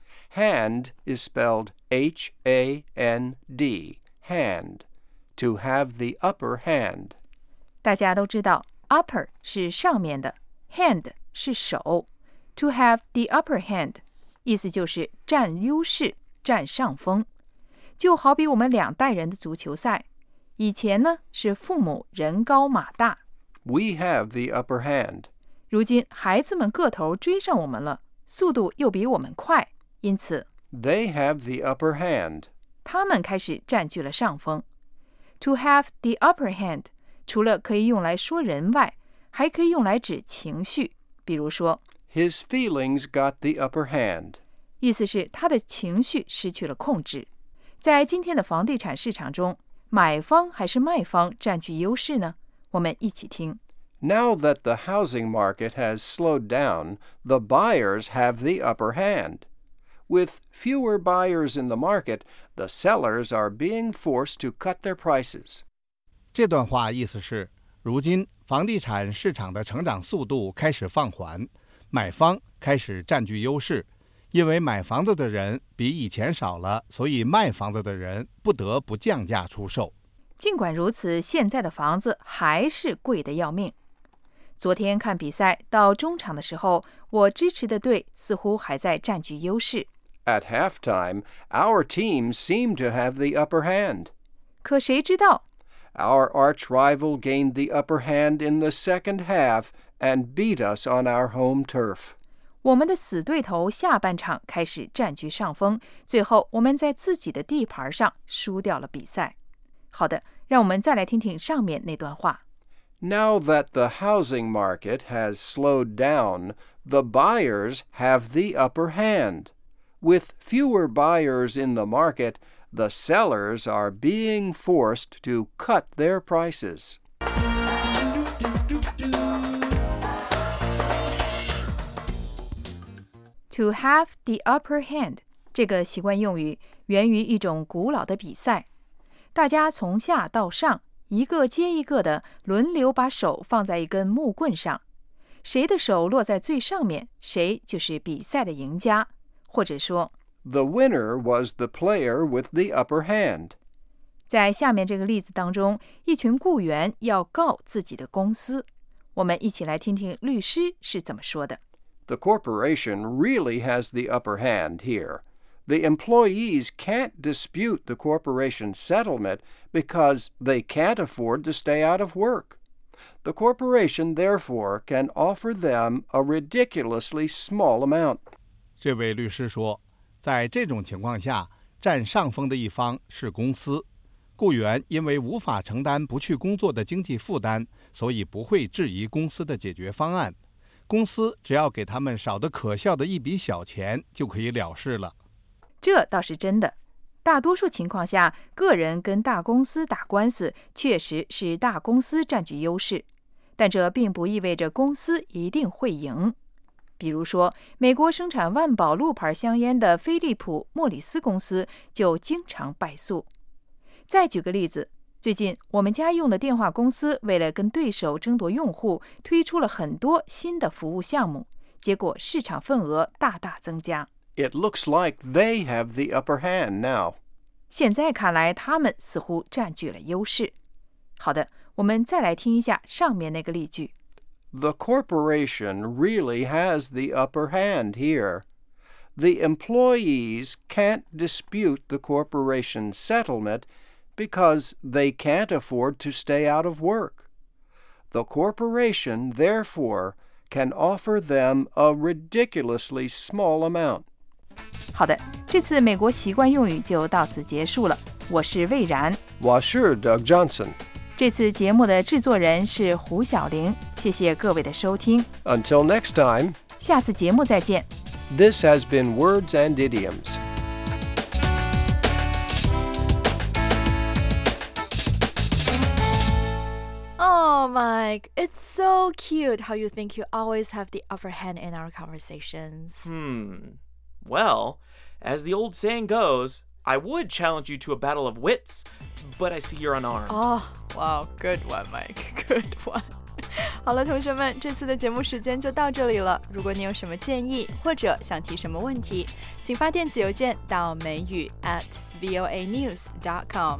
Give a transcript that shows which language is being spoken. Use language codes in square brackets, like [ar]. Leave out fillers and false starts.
[en] Hand is spelled H-A-N-D, hand. To have the upper hand. [zh] 大家都知道 upper 是上面的 hand 是手。 To have the upper hand, 意思就是占优势、占上风。就好比我们两代人的足球赛。以前呢是父母人高马大 [en] We have the upper hand [zh] 如今孩子们个头追上我们了速度又比我们快因此 [en] They have the upper hand [zh] 他们开始占据了上风 To have the upper hand 除了可以用来说人外还可以用来指情绪比如说 [en] His feelings got the upper hand [zh] 意思是他的情绪失去了控制在今天的房地产市场中买方还是卖方占据优势呢？我们一起听。 [en] Now that the housing market has slowed down, the buyers have the upper hand. With fewer buyers in the market, the sellers are being forced to cut their prices. [zh] 这段话意思是，如今房地产市场的成长速度开始放缓，买方开始占据优势，因为买房子的人比以前少了，所以卖房子的人不得不降价出售。尽管如此，现在的房子还是贵得要命。昨天看比赛到中场的时候，我支持的队似乎还在占据优势。 [en] At halftime, our team seemed to have the upper hand. [zh] 可谁知道? [en] Our arch rival gained the upper hand in the second half and beat us on our home turf. [zh] 我们的死对头下半场开始占据上风，最后我们在自己的地盘上输掉了比赛。好的，让我们再来听听上面那段话。 Now that the housing market has slowed down, the buyers have the upper hand. With fewer buyers in the market, the sellers are being forced to cut their prices. 嘟嘟嘟嘟嘟 To have the upper hand, 这个习惯用语源于一种古老的比赛。大家从下到上，一个接一个的轮流把手放在一根木棍上，谁的手落在最上面，谁就是比赛的赢家。或者说 [en] ，The winner was the player with the upper hand。 [zh] 在下面这个例子当中，一群雇员要告自己的公司，我们一起来听听律师是怎么说的。 [en] The corporation really has the upper hand here. The employees can't dispute the corporation's settlement because they can't afford to stay out of work. The corporation, therefore, can offer them a ridiculously small amount. [zh] 这位律师说，在这种情况下，占上风的一方是公司。雇员因为无法承担不去工作的经济负担，所以不会质疑公司的解决方案。公司只要给他们少得可笑的一笔小钱就可以了事了。这倒是真的，大多数情况下，个人跟大公司打官司确实是大公司占据优势，但这并不意味着公司一定会赢。比如说，美国生产万宝路牌香烟的菲利普·莫里斯公司就经常败诉。再举个例子，最近我们家用的电话公司为了跟对手争夺用户，推出了很多新的服务项目，结果市场份额大大增加。 [en] It looks like they have the upper hand now. [zh] 现在看来，他们似乎占据了优势。好的，我们再来听一下上面那个例句。 [en] The corporation really has the upper hand here. The employees can't dispute the corporation's settlement because they can't afford to stay out of work. The corporation, therefore, can offer them a ridiculously small amount. [zh] 好的，这次美国习惯用语就到此结束了。我是魏然，我是 Doug Johnson。这次节目的制作人是胡晓玲，谢谢各位的收听。 [en] Until next time， [zh] 下次节目再见。 [en] This has been Words and Idioms。 Oh, Mike, it's so cute how you think you always have the upper hand in our conversations. Well, as the old saying goes, I would challenge you to a battle of wits, but I see you're unarmed. Oh, wow, good one, Mike, good one. [zh] 好了，同学们，这次的节目时间就到这里了。如果你有什么建议或者想提什么问题，请发电子邮件到美语 @voanews.com.